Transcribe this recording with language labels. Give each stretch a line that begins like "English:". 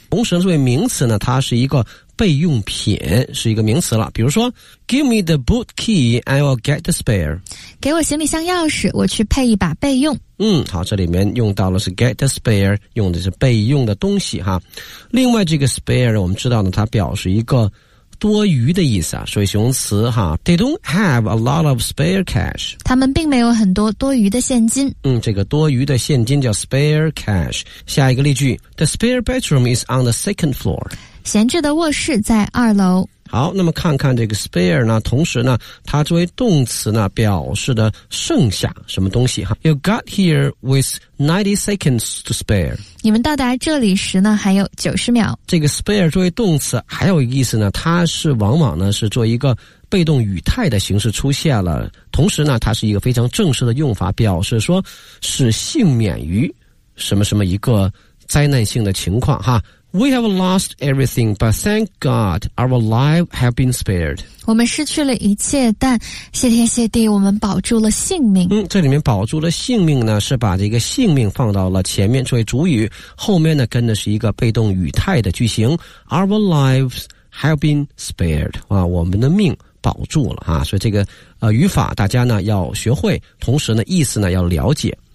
Chinese: 同时作为名词呢，它是一个备用品，是一个名词了。比如说
English: Give me the boot key I will get the spare，
Chinese: 给我行李箱钥匙，我去配一把备用。嗯，好，这里面用到了是 get the spare， 用的是备用的东西哈。另外这个 spare 我们知道呢，它表示一个多余的意思啊，所以形容词哈。
English: They don't have a lot of spare cash，
Chinese: 他们并没有很多多余的现金。嗯，这个多余的现金叫
English: spare cash。
Chinese: 下一个例句
English: The spare bedroom is on the second floor，
Chinese: 闲置的卧室在二楼。好，那么看看这个 spare 呢，同时呢它作为动词呢表示的剩下什么东西哈。
English: You got here with 90 seconds to spare，
Chinese: 你们到达这里时呢还有90秒。这个 spare 作为动词还有一个意思呢，它是往往呢是做一个被动语态的形式出现了，同时呢它是一个非常正式的用法，表示说使幸免于什么什么一个灾难性的情况哈。
English: We have lost everything, but thank God our lives have been spared.
Chinese: 我们失去了一切，但谢天谢地我们保住了性命。嗯，这里面保住了性命呢，是把这个性命放到了前面作为主语，后面呢跟的是一个被动语态的句型。
English: Our lives have been spared.
Chinese: 啊，我们的命保住了啊，所以这个语法大家呢要学会，同时呢意思呢要了解。